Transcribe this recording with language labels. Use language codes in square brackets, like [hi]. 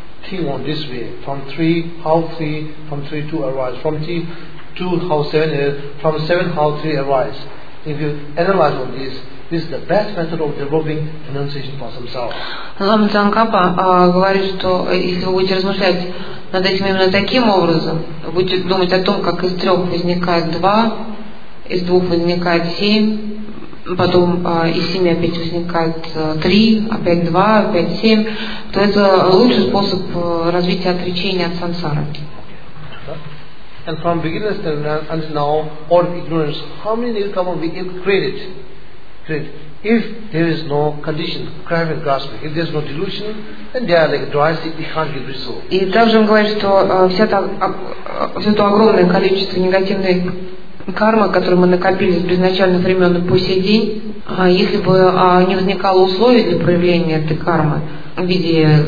[en] Think on this way, from three, how three, from three, two arise, from three, two, how seven is, from seven, how three arise. If you analyze on this is the best method of developing renunciation for samsara. [ru] Лама Цзанкапа говорит, что если вы будете размышлять над этим именно таким образом, вы будете думать о том, как из трех возникает два, из двух возникает семь, потом из семи опять возникает три, опять два, опять семь, то это лучший способ развития отречения от сансары. [en] And from beginners until now, all ignorance, how many new karma we create? If there is no condition, craving, grasping, if there is no delusion, then they are like dry seed, they can't give result. [ru] И также он говорит, что все это огромное количество негативной кармы, которую мы накопили с безначальных времен по сей день, Если бы не возникало условий для проявления этой кармы в виде